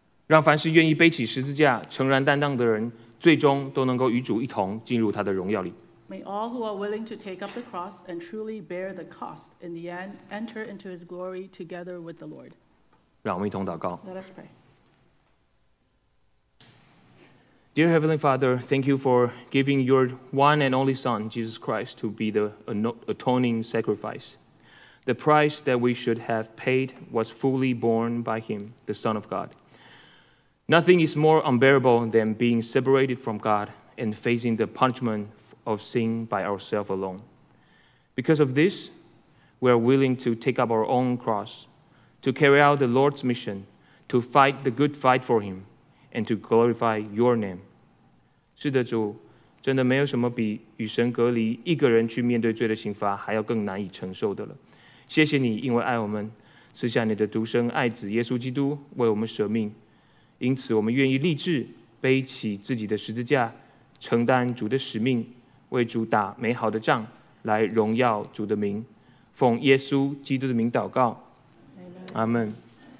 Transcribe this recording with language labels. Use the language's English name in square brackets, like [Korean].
[Chinese] 让凡是愿意背起十字架、诚然担当的人，最终都能够与主一同进入他的荣耀里。 [English] May all who are willing to take up the cross and truly bear the cost in the end enter into his glory together with the Lord. [Chinese] 让我们一同祷告。 [English] Let us pray. Dear Heavenly Father, thank you for giving your one and only Son, Jesus Christ, to be the atoning sacrifice. The price that we should have paid was fully borne by him, the Son of God. Nothing is more unbearable than being separated from God and facing the punishment of sin by ourselves alone. Because of this, we are willing to take up our own cross, to carry out the Lord's mission, to fight the good fight for him, and to glorify your name. [Chinese] 是的，主，真的没有什么比与神隔离一个人去面对罪的刑罚还要更难以承受的了。谢谢你，因为爱我们，赐下你的独生爱子耶稣基督为我们舍命。因此我们愿意立志背起自己的十字架，承担主的使命，为主打美好的仗，来荣耀主的名，奉耶稣基督的名祷告，阿门。